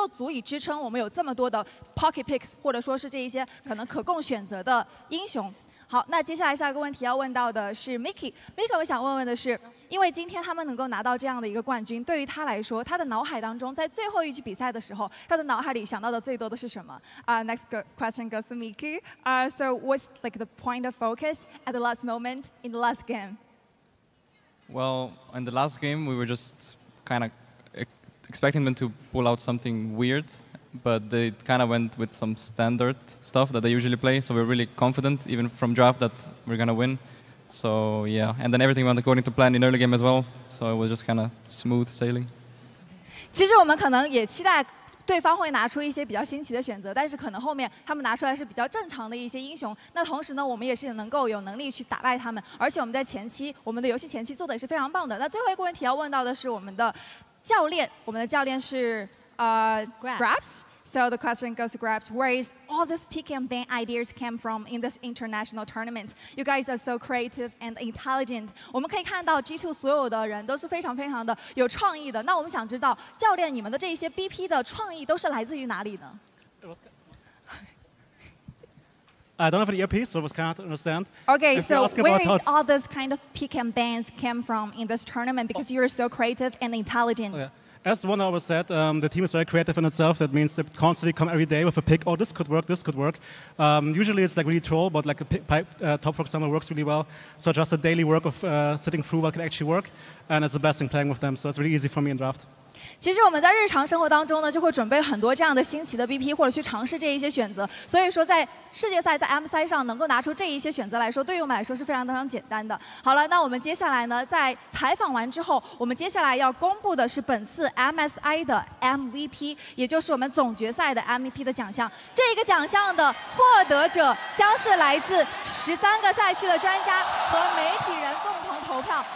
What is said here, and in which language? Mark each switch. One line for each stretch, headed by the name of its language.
Chinese: 其实我觉得我们的整个队伍来说都是非常非常的支持的，而且我觉得我们的这一些可能说，队伍当中的一些支持以及他们的一些创意，对于我来说都是非常好的。而且我们的所有的人都会为我们的这一些可能有人如果有一个新的提议或者新的意见的话，所有人都会支持他并且付诸于实践去实验。那同时我们在后来能够有这样的一个成绩，可能是因为我有一个比较强大的一个英雄池，能够足以支撑我们有这么多的 pocket picks 或者说是这一些。可能可供选择的英雄。好，那接下来下一个问题要问到的是 Mickey。Mickey， 我想问问的是，因为今天他们能够拿到这样的一个冠军，对于他来说，他的脑海当中在最后一局比赛的时候，他的脑海里想到的最多的是什么？
English: Next question goes to Mickey. So what's like the point of focus at the last moment in the last game? Well, in the last game, we were just kind of expecting them to pull out something weird. But they kind of went with some standard stuff that they usually play, so we're really confident, even from draft, that we're going to win. So, yeah. And then everything went according to plan in early game as well, so it was just kind of smooth sailing.
Chinese: 其实我们可能也期待对方会拿出一些比较新奇的选择，但是可能后面他们拿出来是比较正常的一些英雄。那同时呢，我们也是能够有能力去打败他们，而且我们在前期，我们的游戏前期做的也是非常棒的。那最后一个问题要问到的是我们的教练，我们的教练是Grabs。
English: So the question goes to Grabs, where is all this pick and ban ideas came from in this international tournament? You guys are so creative and intelligent.
Chinese: 我们可以看到 G2 所有的人都是非常非常的有创意的。那我们想知道教练你们的这一些 BP 的创意都是来自于哪里呢？
English: I don't have an earpiece, so I can't understand. Okay, if so where did all this kind of pick and bans came from in this tournament? Because you're so creative and intelligent. Oh, yeah. As one always said, the team is very creative in itself. That means they constantly come every day with a pick. Oh, this could work, this could work. Usually it's like really troll, but like a top, for example, works really well. So just a daily work of sitting through what could actually work. And it's a blessing playing with them. So it's really easy for me in draft.
Chinese: 其实我们在日常生活当中呢，就会准备很多这样的新奇的 BP， 或者去尝试这一些选择。所以说，在世界赛在 MSI 上能够拿出这一些选择来说，对于我们来说是非常非常简单的。好了，那我们接下来呢，在采访完之后，我们接下来要公布的是本次 MSI 的 MVP， 也就是我们总决赛的 MVP 的奖项。这个奖项的获得者将是来自13个赛区的专家和媒体人共同投票。